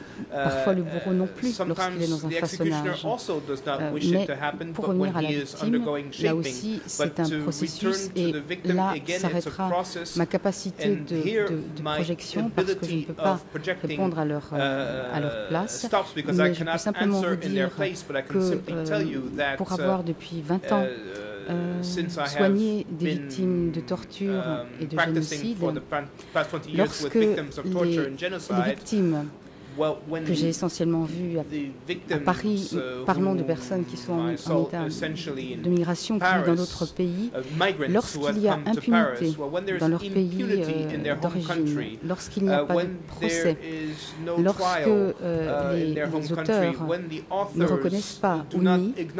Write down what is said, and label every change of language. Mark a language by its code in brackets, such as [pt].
[fr] Parfois, le bourreau non plus lorsqu'il est dans un façonnage. [en] Also does not wish it to happen, but when he is undergoing shaping, but to return to the victim again, it's a process. [fr] Ma capacité de projection, parce que je ne peux pas répondre à leur place, [en] stops because [fr] mais [en] I cannot answer in their place, but I can simply tell you that [fr] pour avoir depuis 20 ans soigné des victimes de torture et de génocide, lorsque les victimes que j'ai essentiellement vu à Paris, parlons de personnes qui sont en état de migration qui vivent dans d'autres pays, lorsqu'il y a impunité dans leur pays d'origine, lorsqu'il n'y a pas de procès, lorsque les auteurs ne reconnaissent pas ou nient